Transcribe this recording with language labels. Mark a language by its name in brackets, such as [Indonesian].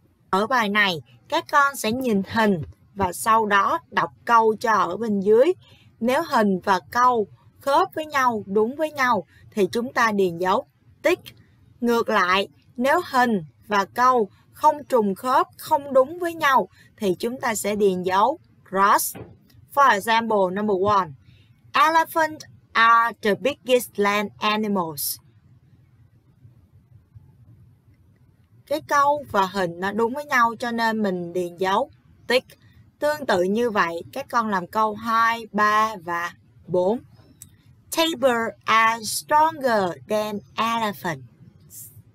[Vietnamese] Ở bài này, các con sẽ nhìn hình và sau đó đọc câu cho ở bên dưới. Nếu hình và câu khớp với nhau, đúng với nhau, thì chúng ta điền dấu tick. Ngược lại, nếu hình và câu không trùng khớp, không đúng với nhau, thì chúng ta sẽ điền dấu cross. [English] For example, number one, elephants are the biggest land animals. [Vietnamese] Cái câu và hình nó đúng với nhau cho nên mình điền dấu tick. Tương tự như vậy, các con làm câu 2, 3 và 4. [English] Tiger are stronger than elephants.